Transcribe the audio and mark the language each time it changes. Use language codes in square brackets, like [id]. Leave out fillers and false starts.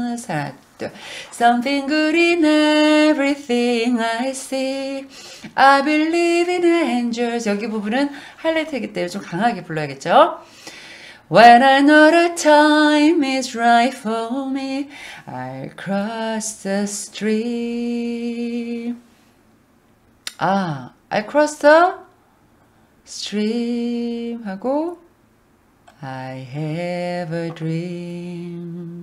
[en] 하나, Something good in everything I see. I believe in angels. [ko] 여기 부분은 하이라이트이기 때문에 좀 강하게 불러야겠죠? [en] When I know the time is right for me, I'll cross the stream. 아, I'll cross the stream 하고 I have a dream.